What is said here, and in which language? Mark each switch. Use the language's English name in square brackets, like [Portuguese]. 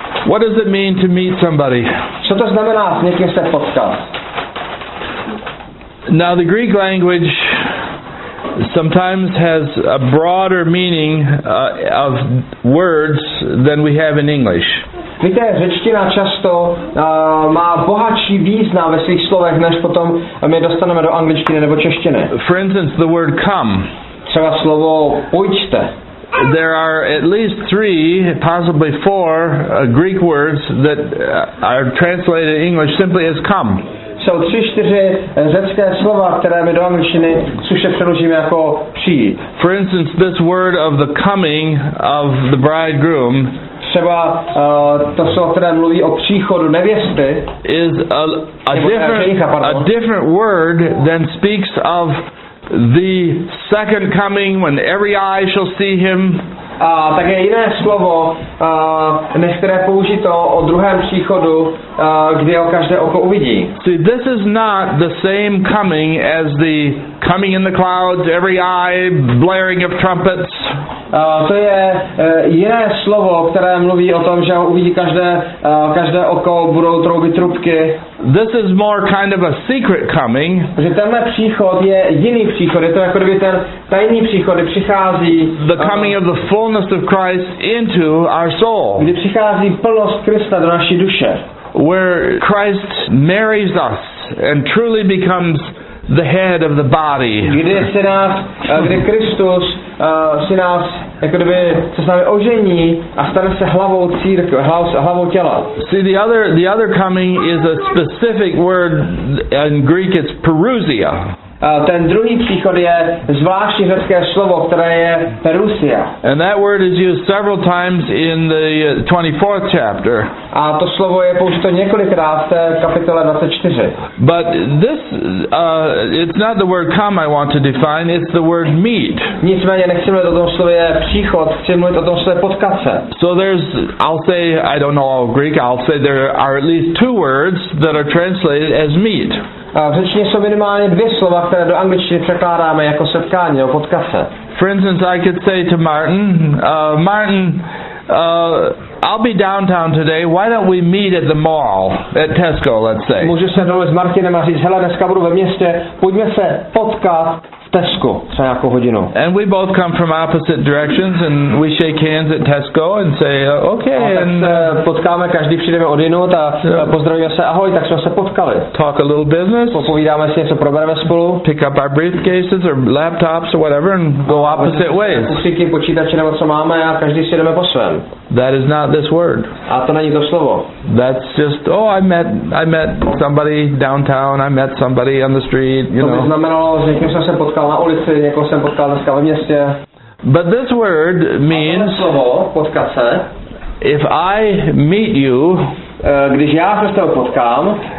[English] What does it mean to meet somebody? [Czech] Co to znamená s někým se potkat? [English] Now the Greek language sometimes has a broader meaning of words than we have in English. [Czech] Víte, řečtina často má bohatší význam ve svých slovech, než potom my dostaneme do angličtiny nebo češtiny. [English] For instance, the word come. [Czech] Třeba slovo pojďte. [English] There are at least 3, possibly 4 Greek words that are translated in English simply as come. [Czech] Jsou 3-4 řecké slova, které my do angličtiny suše přeložíme jako přijít. [English] For instance, this word of the coming of the bridegroom. [Czech] Třeba to slovo, které mluví o příchodu nevěsty. [English] Is a different word than speaks of the second coming when every eye shall see him. [Czech] A tak je jiné slovo, než které použito o druhém příchodu, kde ho každé oko uvidí. [English] See, this is not the same coming as the coming in the clouds, every eye, blaring of trumpets. [Czech] To je jiné slovo, které mluví o tom, že ho uvidí každé oko, budou troubit trubky. [English] This is more kind of a secret coming. [Czech] Že tenhle příchod je jiný příchod, je to jako kdyby ten tajný příchod, přichází [English] the coming of the fullness of Christ into our soul. [Czech] Kdy přichází plnost Krista do naší duše. [English] Where Christ marries us and truly becomes the head of the body. [Czech] Kdy se nás, kdy Kristus si nás, jako kdyby, se s námi ožení a stane se hlavou církve, hlavou těla. [English] See, the other coming is a specific word, in Greek it's parousia. [Czech] Ten druhý příchod je zvláštní řecké slovo, které je perusia. [English] And that word is used several times in the 24th chapter. [Czech] A to slovo je použito několikrát v té kapitole 24. [English] But this, it's not the word come I want to define, it's the word meet. [Czech] Nicméně nechci mluvit o tom slově příchod, chci mluvit o tom slově potkat se. [English] So there's, I'll say, I don't know all Greek, I'll say there are at least 2 words that are translated as meet. [Czech] V řečtině jsou minimálně 2 slova, které do angličtiny překládáme jako setkání nebo potkat se. [English] For instance, I could say to Martin, Martin, I'll be downtown today, why don't we meet at the mall, at Tesco, let's say. [Czech] Můžu se domluvit s Martinem a říct, hele, dneska budu ve městě, pojďme se potkat v Tesco za nějakou hodinu. [English] And we both come from opposite directions and we shake hands at Tesco and say, okay. [Czech] A tak se potkáme, každý přijdeme odinut a pozdravíme se, ahoj, tak jsme se potkali. [English] Talk a little business. [Czech] Popovídáme si něco, probereme spolu. [English] Pick up our briefcases or laptops or whatever and go opposite ways. [Czech] Počítače nebo co máme a každý si jdeme po svém. [English] That is not this word. [Czech] A to není to slovo. [English] That's just, oh, I met somebody downtown, I met somebody on the street, you [Czech] know. To by znamenalo, že někým jsem se potkal na ulici, někoho jsem potkal dneska ve městě. [English] But this word means, [Czech] a to není slovo, potkat se. [English] If I meet you, [Czech] když já se s tebou potkám,